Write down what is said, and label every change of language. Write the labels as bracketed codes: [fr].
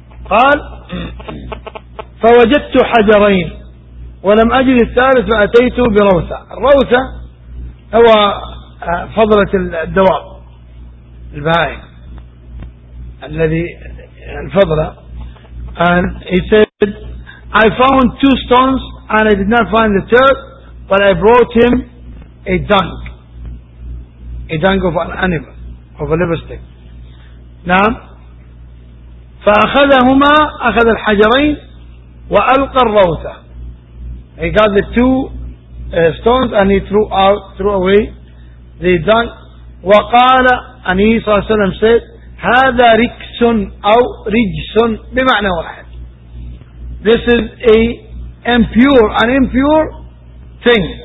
[ar] قال فوجدت حجرين ولم أجد الثالث فأتيت بروثة. الروثة هو فضلة الدواب البهائم الذي الفضلة. [en] And he said I found two stones and I did not find the third, but I brought him a dung of an animal of a liver stick. [ar] نعم. فأخذهما أخذ الحجرين وألقى الروثة. [en] He got the two stones and he threw away the dung. وقال And he صلى الله عليه وسلم said, [ar] هذا ركس أو رجس بمعنى واحد. [en] This is a impure, an impure thing.